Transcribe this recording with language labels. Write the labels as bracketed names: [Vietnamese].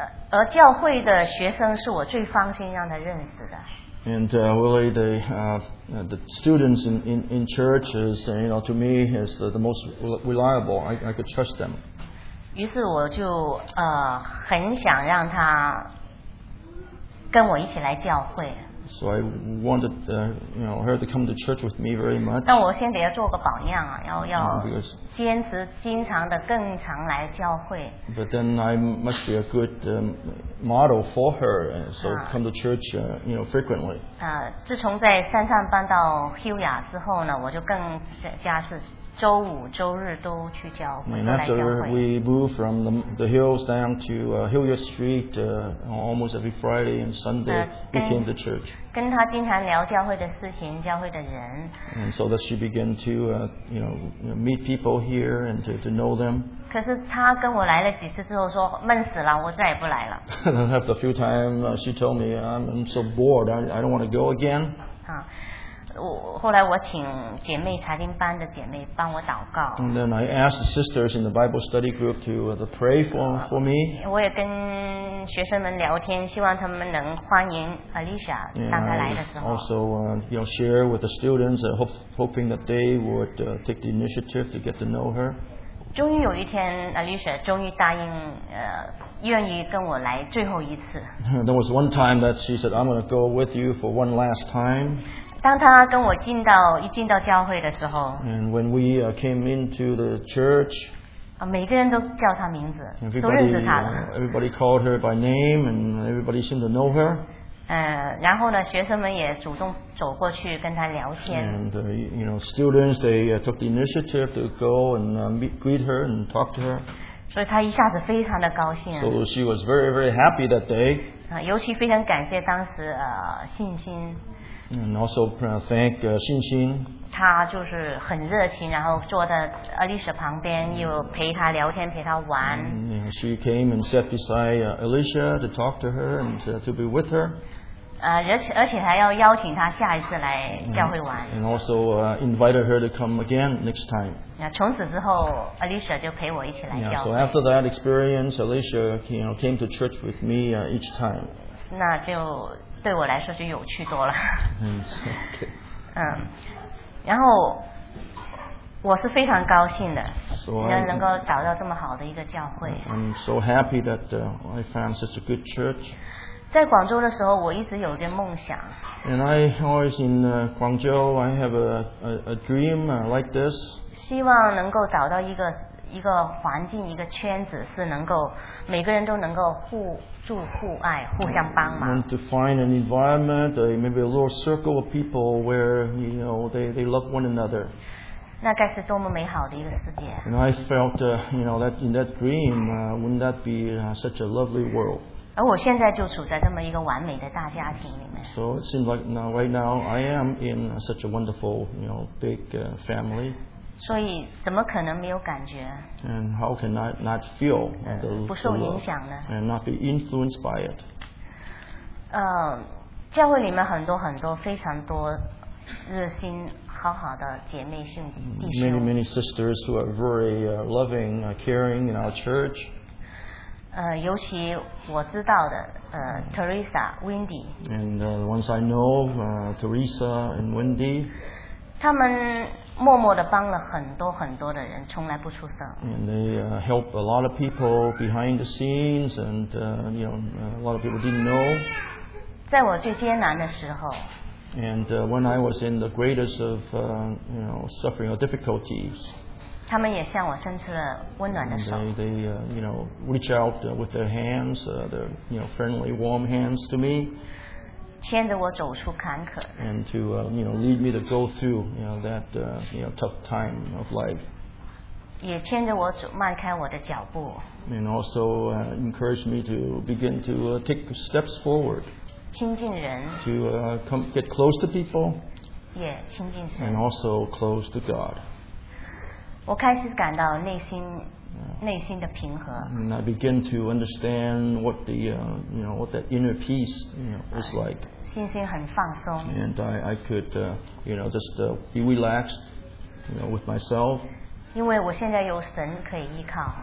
[Chinese] 而教会的学生是我最放心让他认识的。 [English] And really, the students in churches, you know, to me is the most reliable. I could trust them. [Chinese] 于是我就很想让他跟我一起来教会。 [English] So I wanted you know, her to come to church with me very much. [Chinese] 但我先得要做个榜样啊，要坚持经常的更常来教会。 [English] But then I must be a good model for her, so come to church you know, frequently. [Chinese] 自从在山上搬到休雅之后呢，我就更加是。周五、周日都去教会。 [English] And after we moved from the hills down to Hilliard Street, almost every Friday and Sunday, we came to church. [Chinese] 跟他经常聊教会的事情，教会的人。 [English] And so that she began to, meet people here and to know them. [Chinese] 可是他跟我来了几次之后说，闷死了，我再也不来了。 [English] After a few times, she told me, I'm so bored, I don't want to go again. [Chinese] 后来我请姐妹查经班的姐妹帮我祷告。 [English] And then I asked sisters in the Bible study group to pray for me. [Chinese] 我也跟学生们聊天，希望他们能欢迎 Alicia 当她来的时候。 [English] Also, you know, share with the students, hoping that they would take the initiative to get to know her. [Chinese] 终于有一天 Alicia 终于答应愿意跟我来最后一次。 [English] There was one time that she said I'm going to go with you for one last time. [Chinese] 当她跟我进到一进到教会的时候。 [English] And when we came into the church. [Chinese] 每个人都叫她名字，都认识她了。 [English] Everybody called her by name and everybody seemed to know her. [Chinese] 然后呢，学生们也主动走过去跟她聊天。 [English] And you know, students, they took the initiative to go and greet her and talk to her. [Chinese] 所以他一下子非常的高兴。 [English] So she was very, very happy that day. [Chinese] 尤其非常感谢当时信心。 [English] And also thank 信心。 [Chinese] 他就是很热情，然后坐在 Alicia 旁边，又陪他聊天，陪他玩。 [English] She came and sat beside Alicia to talk to her and to be with her. [Chinese] 而且还要邀请他下一次来教会玩。 [English] And also invited her to come again next time. [Chinese] 从此之后 ，Alicia 就陪我一起来教会。 [English] Yeah, so after that experience, Alicia came to church with me each time. [Chinese] 那就对我来说就有趣多了。 [English] Okay. [Chinese] 然后我是非常高兴的，要能够找到这么好的一个教会。 [English] I'm so happy that I found such a good church. [Chinese] 在广州的时候，我一直有一个梦想。 [English] And I always in Guangzhou, I have a dream like this. [Chinese] 希望能够找到一个环境，一个圈子，是能够每个人都能够互助互爱，互相帮忙。 [English] And to find an environment, maybe a little circle of people where you know they love one another. [Chinese] 那该是多么美好的一个世界。 [English] And I felt, you know, that in that dream, wouldn't that be such a lovely world? [Chinese] 而我现在就处在这么一个完美的大家庭里面。 [English] So it seems like now, right now, I am in such a wonderful, you know, big family. [Chinese] 所以怎么可能没有感觉？ [English] And how can I not feel the love? [Chinese] 不受影响呢？ [English] And not be influenced by it. [Chinese] 教会里面很多很多非常多热心好好的姐妹兄弟兄。 [English] Many many sisters who are very loving, caring in our church. [Chinese] 尤其我知道的Teresa, Wendy. [English] And ones I know, Teresa and Wendy. [Chinese] 他们。默默地帮了很多很多的人，从来不出声。 [English] And they help a lot of people behind the scenes, and you know, a lot of people didn't know. [Chinese] 在我最艰难的时候。 [English] And when I was in the greatest of you know suffering or difficulties. [Chinese] 他们也向我伸出了温暖的手。 [English] They you know reach out with their hands, their you know friendly warm hands to me. [Chinese] 牵着我走出坎坷 [English] ，and to you know lead me to go through you know that you know tough time of life. [Chinese] 也牵着我走，迈开我的脚步 [English] ，and also encourage me to begin to take steps forward. [Chinese] 亲近人 [English] ，to come get close to people. [Chinese] 也亲近神 [English] ，and also close to God. [Chinese] 我开始感到内心的平和。 [English] And I begin to understand what the you know what that inner peace you know is like. [Chinese] 心情很放松。 [English] And I could you know just be relaxed you know with myself. [Chinese] 因为我现在有神可以依靠。